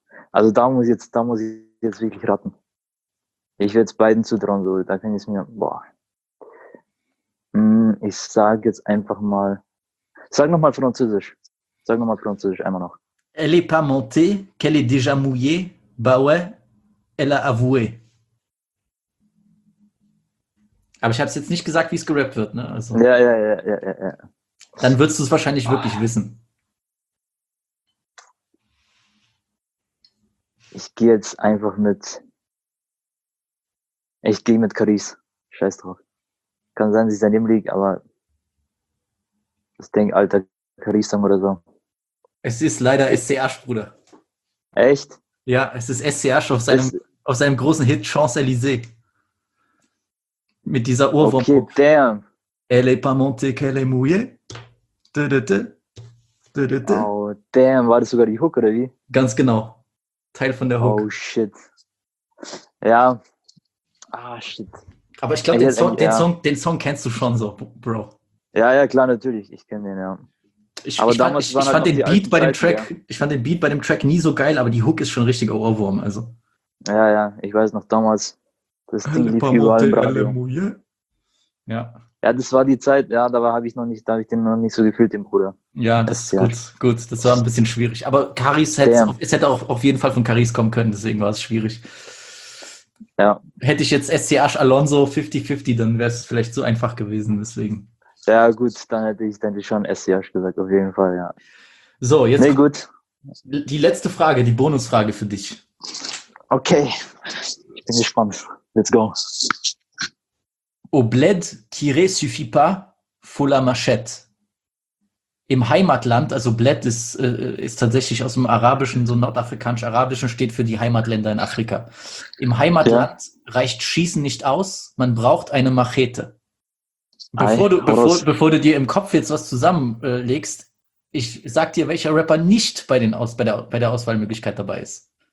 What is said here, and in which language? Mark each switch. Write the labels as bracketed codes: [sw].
[de] Also da muss ich jetzt wirklich raten. Ich würde es beiden zutrauen, so. Da kann ich es mir. Boah. Ich sage jetzt einfach mal. Sag nochmal Französisch, einmal noch. [fr] Elle est pas montée, qu'elle est déjà mouillée, bah ouais, elle a avoué. [de] Aber ich habe es jetzt nicht gesagt, wie es gerappt wird. Ne? Also, ja. Dann würdest du es wahrscheinlich wirklich wissen. Ich gehe mit Caris. Scheiß drauf. Kann sein, dass ich daneben liege, aber ich denke, alter Caris-Song oder so. Es ist leider SCH, Bruder. Echt? Ja, es ist SCH auf seinem großen Hit Champs-Élysées. Mit dieser Ohrwurm. [en] Okay, damn. [fr] Elle est pas montée, qu'elle est mouillée. [en] Du. Oh, damn. [de] War das sogar die Hook, oder wie? Ganz genau. Teil von der Hook. [en] Oh, shit. Ja. Ah, shit. [de] Aber ich glaube, den Song kennst du schon so, Bro. Ja, klar, natürlich. Ich kenne den, ja. Ich fand den Beat bei dem Track nie so geil, aber die Hook ist schon richtiger Ohrwurm. Also. Ja, ich weiß noch damals, das Ding lief überall im Radio. Ja, das war die Zeit, ja, da habe ich den noch nicht so gefühlt, den Bruder. Ja, das ist gut, das war ein bisschen schwierig. Aber Caris, es hätte auch auf jeden Fall von Caris kommen können, deswegen war es schwierig. Ja. Hätte ich jetzt SCH Alonso 50-50, dann wäre es vielleicht so einfach gewesen, deswegen. Ja, gut, dann hätte ich dann schon SCH gesagt, auf jeden Fall, ja. So, jetzt gut. Die letzte Frage, die Bonusfrage für dich. Okay, ich bin gespannt. [en] Let's go. [fr] au bled tirer suffit pas, faut la machette. [de] Im Heimatland, also bled ist tatsächlich aus dem Arabischen, so nordafrikanisch-arabischen, steht für die Heimatländer in Afrika. Im Heimatland reicht Schießen nicht aus, man braucht eine Machete. Bevor du dir im Kopf jetzt was zusammenlegst, ich sag dir, welcher Rapper nicht bei der Auswahlmöglichkeit dabei ist.